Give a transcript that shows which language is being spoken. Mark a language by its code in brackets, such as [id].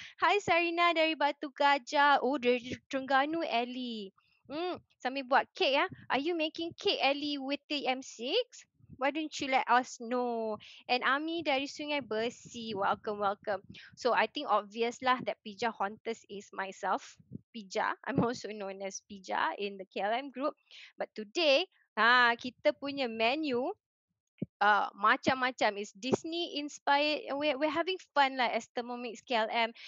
[ms] Hai Sarina dari Batu Gajah. Oh, dari Terengganu, Ellie. Sambil buat kek ya. [en] Are you making cake, Ellie, with the M6? Why don't you let us know? [ms] And Ami dari Sungai Besi. [en] Welcome, welcome. So, I think obvious lah that Pija Hauntus is myself. Pija. I'm also known as Pija in the KLM group. But today, [ms] kita punya menu macam-macam. [en] It's Disney inspired. We're having fun lah as Thermomix KLM.